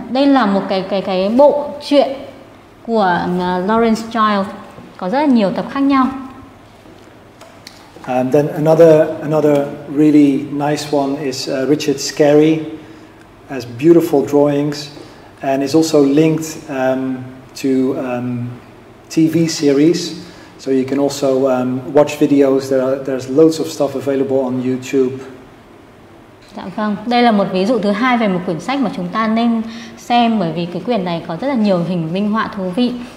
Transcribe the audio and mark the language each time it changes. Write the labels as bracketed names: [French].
[Vietnamese] Đây là một cái bộ truyện của Lauren Child, có rất là nhiều tập khác nhau. [English] And then another really nice one is Richard Scarry, has beautiful drawings and is also linked to TV series, so you can also watch videos. There's loads of stuff available on YouTube. [Vietnamese] Dạ vâng, đây là một ví dụ thứ hai về một quyển sách mà chúng ta nên xem, bởi vì cái quyển này có rất là nhiều hình minh họa thú vị.